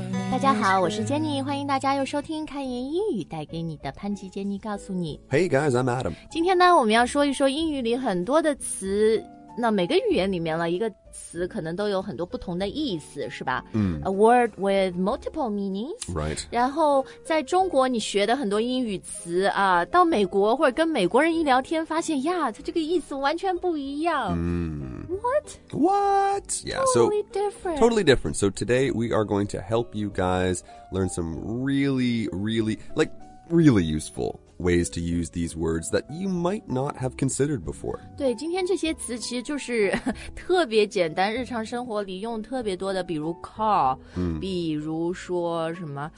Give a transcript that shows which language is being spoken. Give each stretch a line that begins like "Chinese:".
Chinese: 大家好，我是 Jenny， 欢迎大家又收听开言英语带给你的潘吉 Jenny 告诉你。
English: Hey guys, I'm Adam。
Chinese: 今天呢，我们要说一说英语里很多的词。那每个语言里面呢，一个词可能都有很多不同的意思，是吧？嗯。
English: A word with multiple meanings. Right.
Chinese: 然后在中国，你学的很多英语词啊，到美国或者跟美国人一聊天，发现呀，它这个意思完全不一样。嗯。
English: What? Yeah, totally different. Totally different. So today we are going to help you guys learn some really, really, like, really useful ways to use these words that you might not have considered before.
Chinese: 对，今天这些词其实就是特别简单，日常生活里用特别多的，比如 call,、比如说什么